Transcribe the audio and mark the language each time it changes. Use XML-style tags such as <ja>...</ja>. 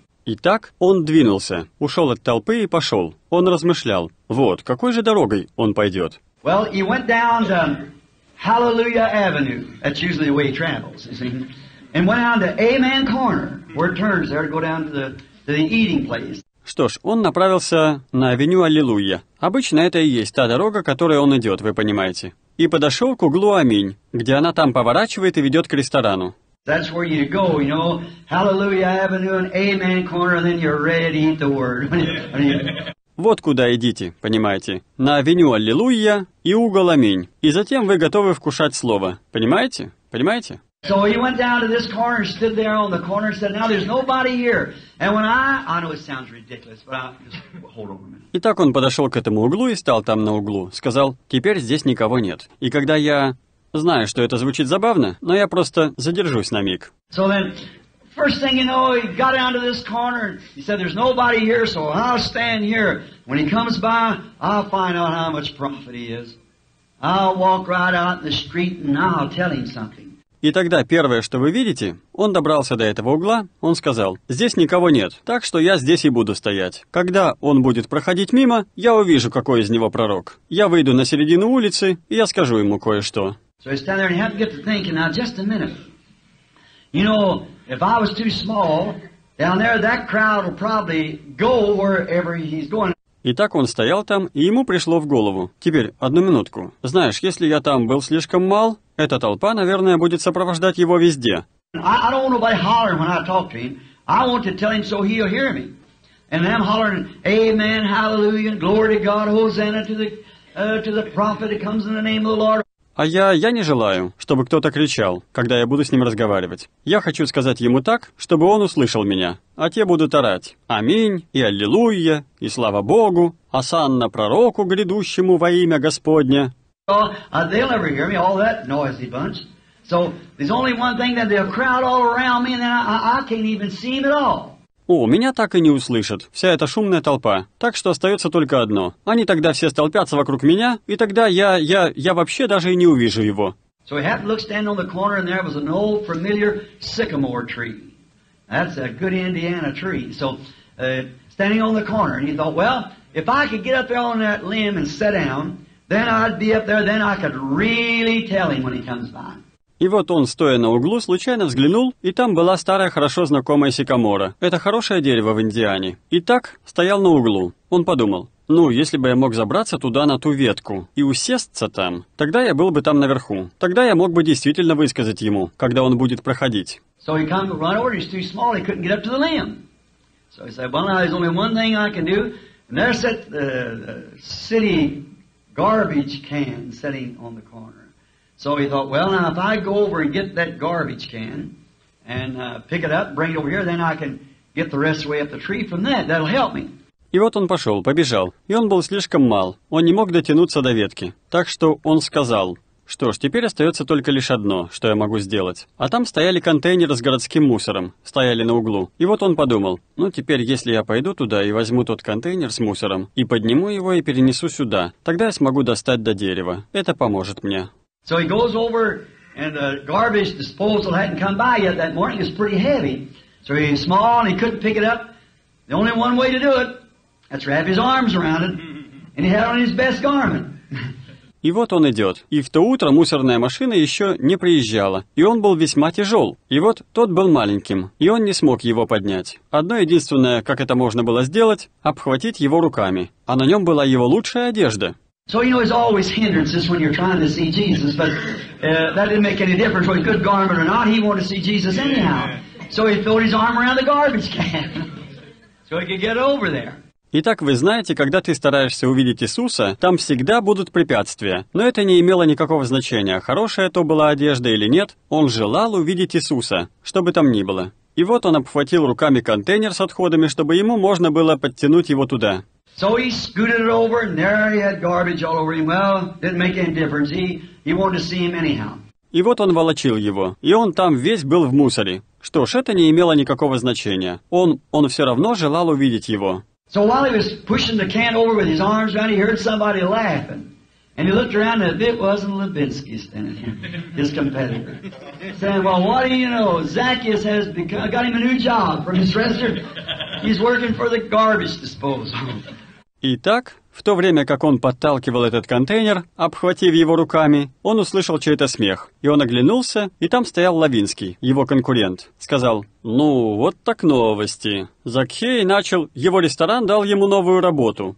<ru>Итак, он двинулся, ушел от толпы и пошел. Он размышлял, вот, какой же дорогой он пойдет.</ru> <en>Well, he went down to Hallelujah Avenue. That's usually the way he travels, you see. And went out to Amen Corner, where it turns there to go down to the eating place.</en> <ru>Что ж, он направился на авеню Аллилуйя. Обычно это и есть та дорога, которой он идет, вы понимаете. И подошел к углу Аминь, где она там поворачивает и ведет к ресторану.</ru> <en>That's where you go, you know, Hallelujah Avenue and Amen Corner, and then you're ready to eat the word.</en> <ru>Вот куда идите, понимаете, на авеню Аллилуйя и угол Аминь, и затем вы готовы вкушать слово, понимаете, понимаете?</ru> <en>So he went down to this corner, stood there on the corner, said, "Now there's nobody here." And when I know it sounds ridiculous, but I'll just hold on a minute.</en> <ru>Итак, он подошел к этому углу и стал там на углу, сказал: "Теперь здесь никого нет." И когда я знаю, что это звучит забавно, но я просто задержусь на миг.</ru> <en>So then, first thing you know, he got down to this corner and he said, "There's nobody here, so I'll stand here. When he comes by, I'll find out how much profit he is. I'll walk right out in the street and I'll tell him something."</en> <ru>И тогда первое, что вы видите, он добрался до этого угла, он сказал, «Здесь никого нет, так что я здесь и буду стоять. Когда он будет проходить мимо, я увижу, какой из него пророк. Я выйду на середину улицы, и я скажу ему кое-что».</ru> <en>So he's standing there, and you have to get to thinking, now just a minute. You know, if I was too small, down there that crowd will probably go wherever he's going.</en> <ru>Итак, он стоял там, и ему пришло в голову. Теперь, одну минутку. Знаешь, если я там был слишком мал, эта толпа, наверное, будет сопровождать его везде.</ru> <en>I don't want nobody hollering when I talk to him. I want to tell him so he'll hear me. And I'm hollering, Amen, Hallelujah, Glory to God, Hosanna to the prophet that comes in the name of the Lord.</en> <ru>А я не желаю, чтобы кто-то кричал, когда я буду с ним разговаривать. Я хочу сказать ему так, чтобы он услышал меня. А те будут орать «Аминь» и «Аллилуйя» и «Слава Богу», «Осанна пророку грядущему во имя Господня».</ru> <en>They'll never hear me, all that noisy bunch. So there's only one thing that they'll crowd all around me and then I can't even see him at all.</en> <ru>О, меня так и не услышат, вся эта шумная толпа. Так что остается только одно. Они тогда все столпятся вокруг меня, и тогда я вообще даже и не увижу его.</ru> <en>So he happened to look standing on the corner, and there was an old familiar sycamore tree. That's a good Indiana tree. So standing on the corner, and he thought, well, if I could get up there on that limb and sit down, then I'd be up there, then I could really tell him when he comes by.</en> <ru>И вот он, стоя на углу, случайно взглянул, и там была старая, хорошо знакомая сикамора. Это хорошее дерево в Индиане. И так стоял на углу. Он подумал, ну, если бы я мог забраться туда на ту ветку и усесться там, тогда я был бы там наверху. Тогда я мог бы действительно высказать ему, когда он будет проходить.</ru> <en>So he came right over, he's too small, he couldn't get up to the limb. So he said, well, now there's only one thing I can do. And there's that silly garbage can sitting on the corner. So he thought, well, now if I go over and get that garbage can and pick it up, bring it over here, then I can get the rest of the way up the tree from that. That'll help me.</en> <ru>И вот он пошел, побежал. И он был слишком мал. Он не мог дотянуться до ветки. Так что он сказал, что ж, теперь остается только лишь одно, что я могу сделать. А там стояли контейнеры с городским мусором. Стояли на углу. И вот он подумал, ну теперь, если я пойду туда и возьму тот контейнер с мусором, и подниму его и перенесу сюда, тогда я смогу достать до дерева. Это поможет мне.</ru> <en>So he goes over, and the garbage disposal hadn't come by yet that morning. It's pretty heavy. So he's small, and he couldn't pick it up. The only one way to do it, that's wrap his arms around it, and he had on his best garment.</en> <ru>И вот он идет. И в то утро мусорная машина еще не приезжала. И он был весьма тяжел. И вот тот был маленьким. И он не смог его поднять. Одно единственное, как это можно было сделать, обхватить его руками. А на нем была его лучшая одежда.</ru> <en>So you know there's always hindrances when you're trying to see Jesus, but that didn't make any difference whether good garment or not. He wanted to see Jesus anyhow. So he threw his arm around the garbage can so he could get over there.</en> <ru>Итак, вы знаете, когда ты стараешься увидеть Иисуса, там всегда будут препятствия. Но это не имело никакого значения, хорошая то была одежда или нет. Он желал увидеть Иисуса, что бы там ни было. И вот он обхватил руками контейнер с отходами, чтобы ему можно было подтянуть его туда.</ru> <en>So he scooted it over, and there he had garbage all over him. Well, didn't make any difference. He wanted to see him anyhow.</en> <ru>И вот он волочил его, и он там весь был в мусоре. Что ж, это не имело никакого значения. Он все равно желал увидеть его.</ru> <en>So while he was pushing the can over with his arms around, he heard somebody laughing. And he looked around, and it wasn't Levinsky standing here, his competitor. Saying, well, what do you know? Zacchaeus has got him a new job from his restaurant. He's working for the garbage disposal.</en> <ru>Итак, в то время, как он подталкивал этот контейнер, обхватив его руками, он услышал чей-то смех. И он оглянулся, и там стоял Лавинский, его конкурент. Сказал, ну, вот так новости. Закхей начал, его ресторан дал ему новую работу.</ru>